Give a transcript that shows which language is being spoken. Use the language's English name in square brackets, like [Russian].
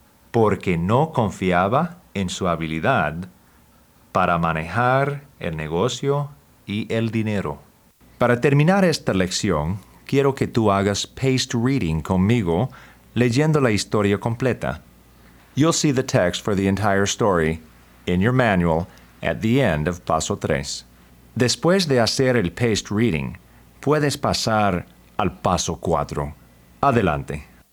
[Spanish] Porque no confiaba en su habilidad para manejar el negocio y el dinero. Para terminar esta lección, quiero que tú hagas paced reading conmigo, leyendo la historia completa. [English] You'll see the text for the entire story in your manual at the end of paso 3. [Spanish] Después de hacer el paced reading, puedes pasar al paso 4. Adelante.